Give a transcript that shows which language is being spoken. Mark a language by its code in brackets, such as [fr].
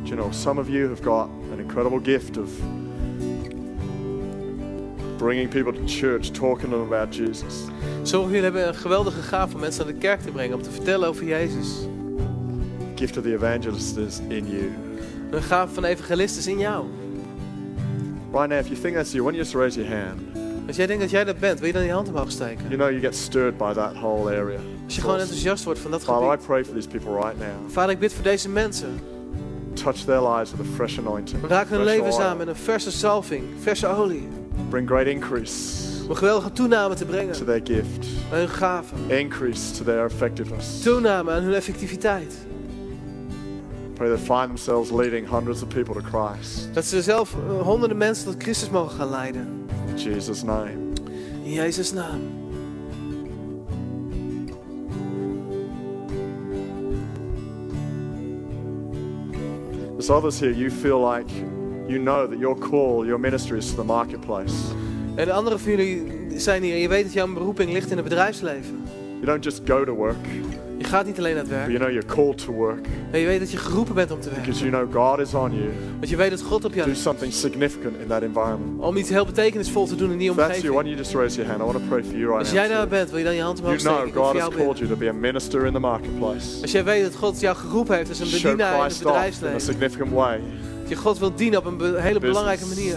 [en] Some of you have got an incredible gift of bringing people to church, talking to them about Jesus. [nl] Sommigen van jullie hebben een geweldige gave om mensen naar de kerk te brengen, om te vertellen over Jezus. [en] Gift of the evangelist is in you. [nl] Een gave van de evangelist is in jou. [en] Right now, if you think that's you, why don't you just raise your hand? [nl] Als jij denkt dat jij dat bent, wil je dan je hand omhoog steken? [en] You know, you get stirred by that whole area. [nl] Als je gewoon enthousiast wordt van dat gebied. [en] Father, I pray for these people right now. [nl] Vader, ik bid voor deze mensen. [en] Touch their lives with a fresh anointing. [nl] Raak hun levens aan met een verse salving, verse olie. [en] Bring great increase. [nl] Om een geweldige toename te brengen. [en] To their gift. [nl] Aan hun gaven. [en] Increase to their effectiveness. [nl] Toename aan hun effectiviteit. [en] Pray they find themselves leading hundreds of people to Christ. [nl] Dat ze zelf honderden mensen tot Christus mogen gaan leiden. [en] In Jesus' name. [nl] In Jezus' naam. [en] There's others here, you feel like you know that your call, your ministry is to the marketplace. [nl] En de anderen van jullie zijn hier, je weet dat jouw beroeping ligt in het bedrijfsleven. [en] You don't just go to work. [nl] Je gaat niet alleen naar het werk. [en] But you know you're called to work. [nl] En je weet dat je geroepen bent om te werken. [en] Because you know God is on you. [nl] Want je weet dat God op jou is. [en] Do something significant in that environment. [nl] Om iets heel betekenisvol te doen in die omgeving. [en] If that's you, why don't you just raise your hand? I want to pray for you right now. [nl] Als jij daar bent, wil je dan je hand omhoog steken? [en] You know God has called you to be a minister in the marketplace. [nl] Als jij weet dat God jou geroepen heeft als een bedienaar in het bedrijfsleven. [en] In a significant way. [nl] Dat je God wil dienen op een hele belangrijke manier.